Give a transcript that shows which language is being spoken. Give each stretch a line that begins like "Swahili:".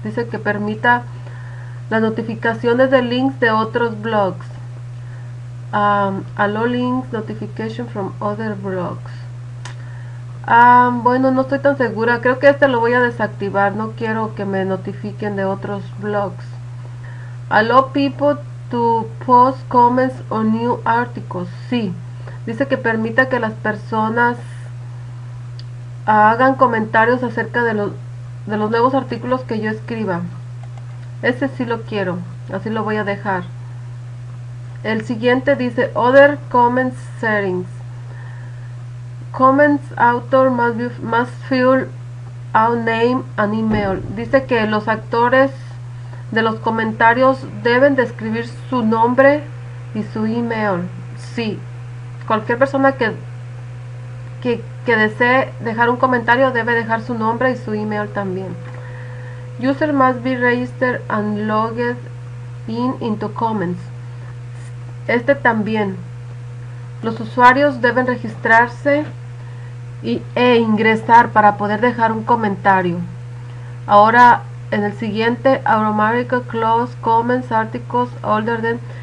Spanish: Dice que permita las notificaciones de links de otros blogs.
English: Allow links notification from other blogs.
Spanish: Bueno, no estoy tan segura. Creo que este lo voy a desactivar. No quiero que me notifiquen de otros blogs.
English: Allow people to post comments on new articles.
Spanish: Sí. Dice que permita que las personas hagan comentarios acerca de los nuevos artículos que yo escriba. Ese sí lo quiero, así lo voy a dejar. El siguiente dice
English: Other Comments Settings. Comments author must fill out name and email.
Spanish: Dice que los actores de los comentarios deben de escribir su nombre y su email. Sí, cualquier persona que desee dejar un comentario debe dejar su nombre y su email también.
English: User must be registered and logged in into comments.
Spanish: Este también. Los usuarios deben registrarse e ingresar para poder dejar un comentario. Ahora, en el siguiente,
English: automatically close comments articles older than.